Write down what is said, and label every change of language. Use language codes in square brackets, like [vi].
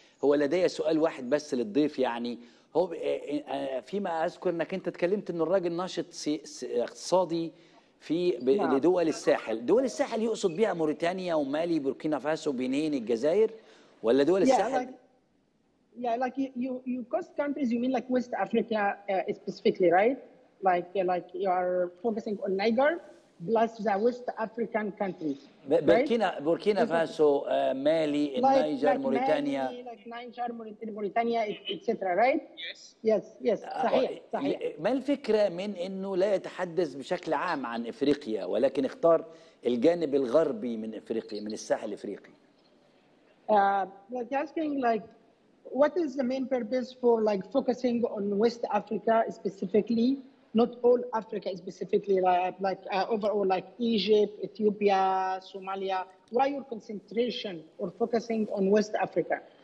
[ar] هو لدي سؤال واحد بس للضيف، يعني هو فيما اذكر انك انت اتكلمت ان الراجل ناشط اقتصادي في لدول الساحل. دول الساحل يقصد بها موريتانيا ومالي بوركينا فاسو بنين الجزائر ولا دول الساحل؟ [en] Yeah, like you cost countries, you mean like West Africa specifically, right? Like you are focusing on Niger plus the West African countries. Burkina Faso, Mali, Niger, Mauritania. Like Mauritania, etc., right? Yes. [ar] صحيح. ما الفكرة من إنه لا يتحدث بشكل عام عن إفريقيا ولكن اختار الجانب الغربي من إفريقيا من الساحل الإفريقي؟ [en] Like asking like what is the main purpose for like focusing on West Africa specifically, not all Africa specifically, like overall, like Egypt, Ethiopia, Somalia? Why your concentration or focusing on West Africa?